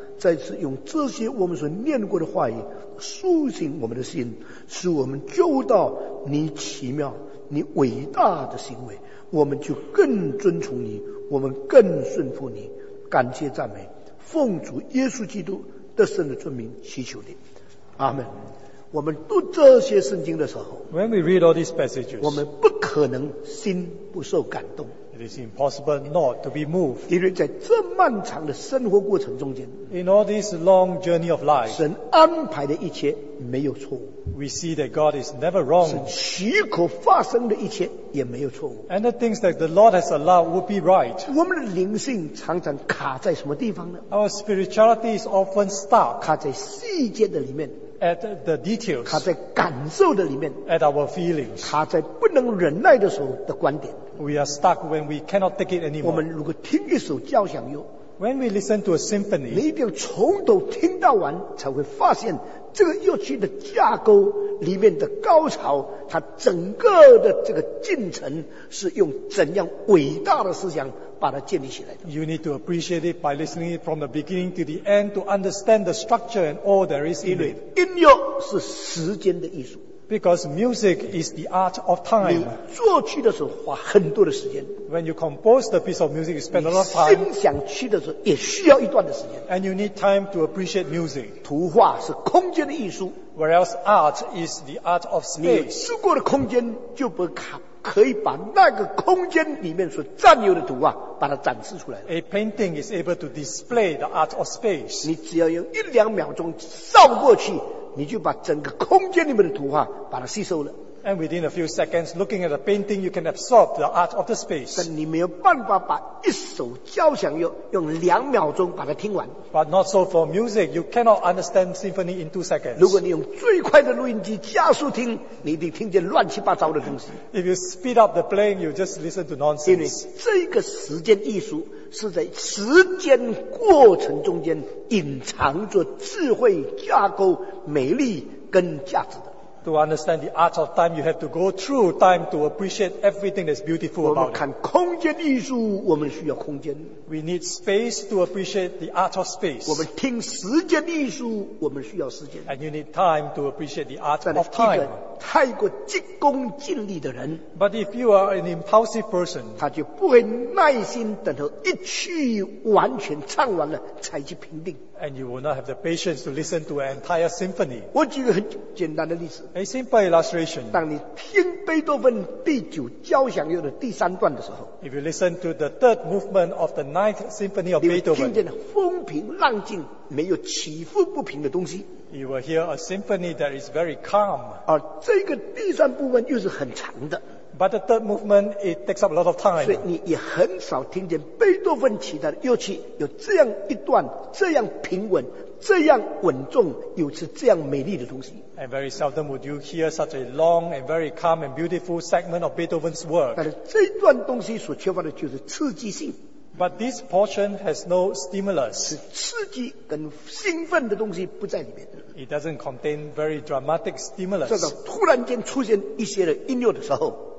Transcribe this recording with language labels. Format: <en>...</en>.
<zh>再次用这些我们所念过的话语苏醒我们的心，使我们就到你奇妙你伟大的行为，我们就更遵从你，我们更顺服你。感谢赞美奉主耶稣基督得胜的尊名祈求你，阿们。我们读这些圣经的时候，</zh> <en>When we read all these passages,</en> <zh>我们不可能心不受感动。</zh> <en>It is impossible not to be moved.</en> <zh>因为在这漫长的生活过程中间，</zh> <en>In all this long journey of life,</en> <zh>神安排的一切没有错误。</zh> <en>We see that God is never wrong.</en> <zh>神许可发生的一切也没有错误。</zh> <en>And the things that the Lord has allowed would be right.</en> <zh>我们的灵性常常卡在什么地方呢？</zh> <en>Our spirituality is often stuck.</en> <zh>卡在细节的里面。</zh> <en>At the details,</en> <zh>卡在感受的里面。</zh> <en>At our feelings,</en> <zh>卡在不能忍耐的时候的观点。</zh> <en>We are stuck when we cannot take it anymore.</en> <zh>我们如果听一首交响乐，</zh> <en>When we listen to a symphony,</en> <zh>你一定要从头听到完，才会发现这个乐曲的架构里面的高潮，它整个的这个进程是用怎样伟大的思想把它建立起来的。</zh> <en>You need to appreciate it by listening it from the beginning to the end to understand the structure and all there is in it.</en> <zh>音乐是时间的艺术。</zh> <en>Because music is the art of time.</en> <zh>你作曲的时候花很多的时间。</zh> <en>When you compose the piece of music, you spend a lot of time.</en> <zh>你欣赏曲的时候也需要一段的时间。</zh> <en>And you need time to appreciate music.</en> <zh>图画是空间的艺术。</zh> <en>Whereas art is the art of space.</en> <zh>你吃过的空间就不卡。可以把那个空间里面所占有的图画把它展示出来。</zh> <en>A painting is able to display the art of space.</en> <zh>你只要用一两秒钟扫过去，你就把整个空间里面的图画把它吸收了。</zh> <en>And within a few seconds, looking at a painting, you can absorb the art of the space.</en> <zh>但你没有办法把一首交响乐用两秒钟把它听完。</zh> <en>But not so for music. You cannot understand symphony in 2 seconds.</en> <zh>如果你用最快的录音机加速听，你一定听见乱七八糟的东西。</zh> <en>If you speed up the playing, you just listen to nonsense.</en> <zh>因为这个时间艺术是在时间过程中间隐藏着智慧、架构、美丽跟价值的。</zh> <en>To understand the art of time, you have to go through time to appreciate everything that's beautiful about it.</en> <zh>我们看空间艺术，我们需要空间。</zh> <en>We need space to appreciate the art of space.</en> <zh>我们听时间艺术，我们需要时间。</zh> <en>And you need time to appreciate the art of time.</en> <zh>但是一个太过急功近利的人，</zh> <en>But if you are an impulsive person,</en> <zh>他就不会耐心等候一曲完全唱完了才去评定。</zh> <en>And you will not have the patience to listen to an entire symphony.</en> <zh>我举个很简单的例子。</zh> <en>A simple illustration.</en> <zh>当你听贝多芬第九交响乐的第三段的时候，</zh> <en>If you listen to the third movement of the ninth symphony of Beethoven,</en> <zh>你会听见风平浪静，没有起伏不平的东西。</zh> <en>You will hear a symphony that is very calm.</en> <zh>而这个第三部分又是很长的。</zh> <en>But the third movement, it takes up a lot of time.</en> <zh>所以你也很少听见贝多芬其他的乐器有这样一段这样平稳这样稳重有着这样美丽的东西。</zh> <en>And very seldom would you hear such a long and very calm and beautiful segment of Beethoven's work.</en> <zh>但是这段东西所缺乏的就是刺激性。</zh> <en>But this portion has no stimulus.</en> <zh>是刺激跟兴奋的东西不在里面。</zh> <en>It doesn't contain very dramatic stimulus.</en> <zh>这个突然间出现一些的音乐的时候，</zh>